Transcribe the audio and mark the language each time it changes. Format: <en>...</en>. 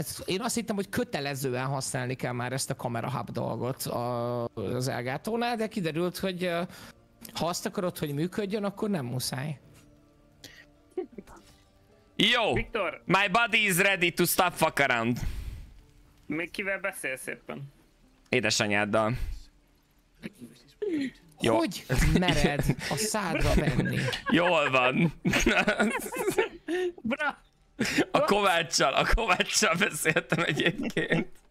<hu>Én azt hittem, hogy kötelezően használni kell már ezt a kamerahub dolgot az Elgátónál, de kiderült, hogy ha azt akarod, hogy működjön, akkor nem muszáj. Jó! Viktor!</hu> <en>My body is ready to stop fuck around.</en> <hu>Még kivel beszélsz éppen? Édesanyáddal. Jó. Hogy mered a szádra menni? Jól van. Bra. A Kovácssal beszéltem egyébként.</hu>